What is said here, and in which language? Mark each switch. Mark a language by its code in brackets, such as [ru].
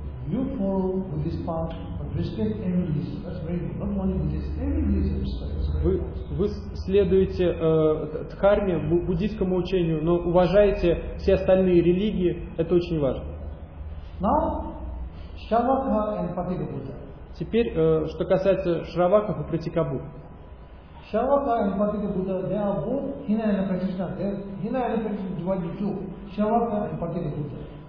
[en] You follow Buddhist path, but respect any religion. That's very good. Not only Buddhist, any religion respect. [ru] Вы следуете дхарме, буддийскому учению, но уважаете все остальные религии. Это очень важно. [en] Now, Shravaka and Patikabuddha. [ru] Теперь, что касается Шраваков и Пратикабуддха. [en] Shravaka and Patikabuddha, they are both Hinayana practitioners. They are Hinayana practitioners divided into Shravaka and Patikabuddha.